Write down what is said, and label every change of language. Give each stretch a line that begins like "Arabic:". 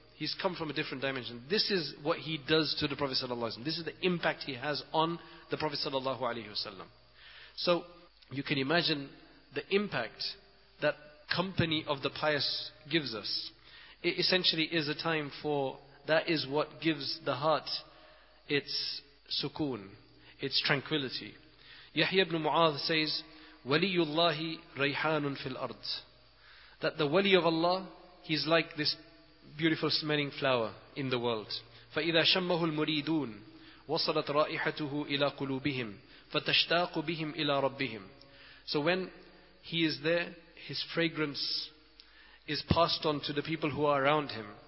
English: He's come from a different dimension. This is what he does to the Prophet sallallahu alaihi wasallam. This is the impact he has on the Prophet sallallahu alaihi wasallam. So, you can imagine the impact that company of the pious gives us. It essentially is a time for, that is what gives the heart its sukoon, its tranquility.
Arabic: Yahya ibn Mu'adh
English: says,
Arabic: وَلِيُّ اللَّهِ رَيْحَانٌ فِي الْأَرْضِ.
English: That the wali of Allah, he's like this beautiful smelling flower in the world.
Arabic: فَإِذَا شَمَّهُ الْمُرِيدُونَ وَصَلَتْ رَائِحَتُهُ إِلَىٰ قُلُوبِهِمْ فَتَشْتَاقُ بِهِمْ إِلَىٰ رَبِّهِمْ.
English: So when he is there, his fragrance is passed on to the people who are around him.